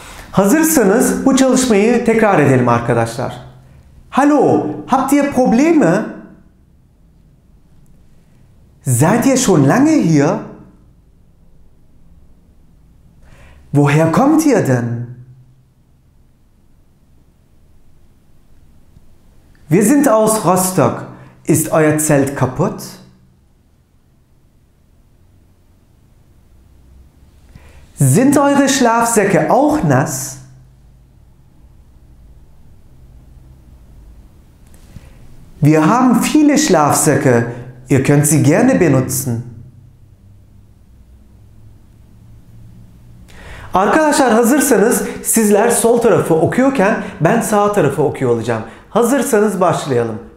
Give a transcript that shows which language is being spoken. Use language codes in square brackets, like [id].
[tr] Hazırsanız bu çalışmayı tekrar edelim arkadaşlar. [de] Hallo, habt ihr Probleme? Seid ihr schon lange hier? Woher kommt ihr denn? Wir sind aus Rostock. Ist euer Zelt kaputt? Sind eure Schlafsäcke auch nass? Wir haben viele Schlafsäcke. Ihr könnt sie gerne benutzen. [tr] Arkadaşlar hazırsanız sizler sol tarafı okuyorken ben sağ tarafı okuyor olacağım. Hazırsanız başlayalım.